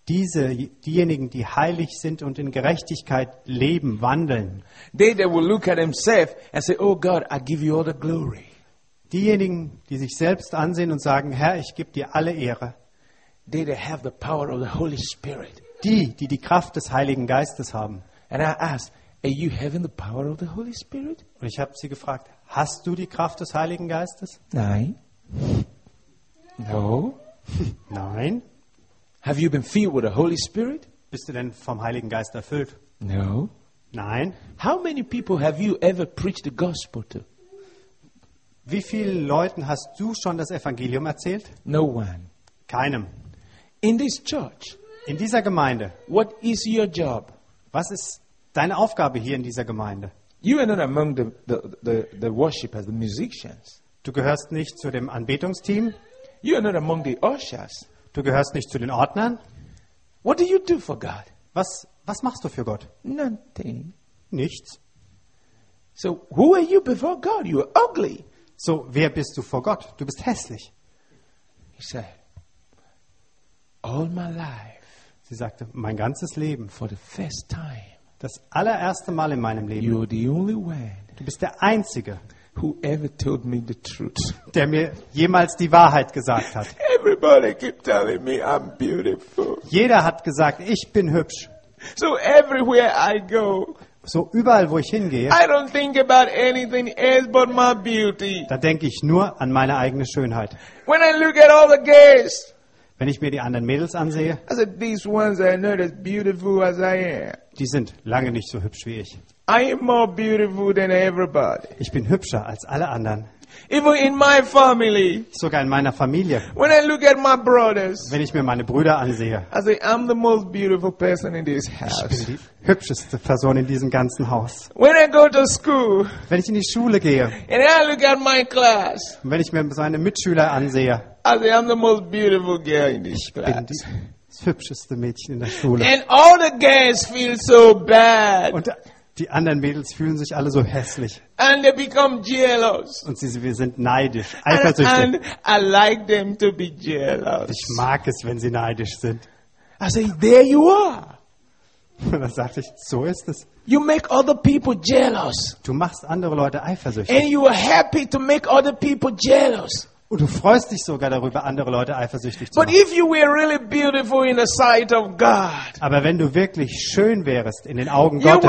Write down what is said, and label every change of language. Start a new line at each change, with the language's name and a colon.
German: Diejenigen, die heilig sind und in Gerechtigkeit leben, wandeln.
English: They that will look at themselves and say, "Oh God, I give you all the glory."
German: Diejenigen, die sich selbst ansehen und sagen, Herr, ich gebe dir alle Ehre.
English: they that have the power of the Holy Spirit.
German: Die die Kraft des Heiligen Geistes haben.
English: And I asked, are you having the power of the Holy Spirit?
German: Und ich habe sie gefragt, hast du die Kraft des Heiligen Geistes? Nein. No. Nein.
English: Have you been filled with the Holy Spirit?
German: Bist du denn vom Heiligen Geist erfüllt?
English: No.
German: Nein.
English: How many people have you ever preached the gospel to?
German: Wie vielen Leuten hast du schon das Evangelium erzählt?
English: No one.
German: Keinem.
English: In this church.
German: In dieser Gemeinde.
English: What is your job?
German: Was ist deine Aufgabe hier in dieser Gemeinde?
English: You are not among the worshipers, the musicians.
German: Du gehörst nicht zu dem Anbetungsteam.
English: You are not among the ushers.
German: Du gehörst nicht zu den Ordnern.
English: What do you do for God?
German: Was machst du für Gott?
English: Nothing.
German: Nichts.
English: So who are you before God? You are ugly.
German: So wer bist du vor Gott? Du bist hässlich.
English: He said, all my life.
German: Sie sagte, mein ganzes Leben.
English: For the first time.
German: Das allererste Mal in meinem Leben.
English: You are the only one.
German: Du bist der Einzige.
English: Who ever told me the truth?
German: Der mir jemals die Wahrheit gesagt hat.
English: Everybody keep telling me I'm beautiful.
German: Jeder hat gesagt, ich bin hübsch.
English: So everywhere I go.
German: So überall, wo ich hingehe.
English: I don't think about anything else but my beauty.
German: Da denke ich nur an meine eigene Schönheit.
English: When I look at all the guys.
German: Wenn ich mir die anderen Mädels ansehe.
English: I said, these ones are not as beautiful as I am.
German: Die sind lange nicht so hübsch wie ich.
English: I am more beautiful than everybody.
German: Ich bin hübscher als alle anderen.
English: Even in my family.
German: Sogar in meiner Familie.
English: When I look at my brothers.
German: Wenn ich mir meine Brüder ansehe.
English: I say, I'm the most beautiful person in this house.
German: Ich bin die hübscheste Person in diesem ganzen Haus.
English: When I go to school.
German: Wenn ich in die Schule gehe.
English: And I look at my class.
German: Wenn ich mir meine Mitschüler ansehe.
English: I say, I'm the most beautiful girl in this class.
German: Ich bin das hübscheste Mädchen in der Schule.
English: And all the guys feel so bad.
German: Und die anderen Mädels fühlen sich alle so hässlich.
English: And they become jealous.
German: Und wir sind neidisch, eifersüchtig.
English: And I like them to be jealous.
German: Ich mag es, wenn sie neidisch sind.
English: I say, there you are.
German: Und dann sagte ich, so ist es.
English: You make other people jealous.
German: Du machst andere Leute eifersüchtig.
English: And you are happy to make other people jealous.
German: Und du freust dich sogar darüber, andere Leute eifersüchtig zu
English: But
German: machen.
English: If you were really beautiful in the sight of God,
German: aber wenn du wirklich schön wärst in den Augen